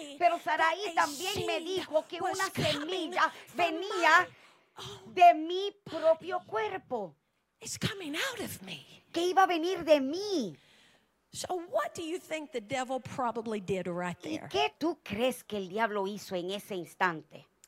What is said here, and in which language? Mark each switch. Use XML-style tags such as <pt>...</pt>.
<es>Pero Sarai también me dijo que una semilla venía de mi propio cuerpo.</es> <en>It's coming out of me.</en> <es>Que iba a venir de mí.</es> <en>So what do you think the devil probably did right there?</en> <es>¿Y qué tú crees que el diablo hizo en ese instante?</es>